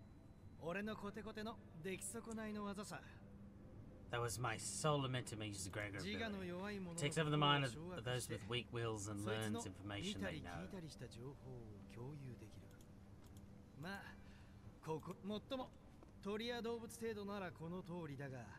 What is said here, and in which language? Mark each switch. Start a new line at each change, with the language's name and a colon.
Japanese: こっちだ。この足場の下に別の足場が。おい、アディオ。今のはな、お前の能力。生きた。今のはソルメンテ。俺のコテコテのできそこないの技さ。
English: That was my Solamente music, Gregor. Takes over the mind of those with weak wills and learns information they know.
Japanese: 聞いたりした情報を共有できる。まあ、ここ最も鳥や動物程度ならこの通りだが。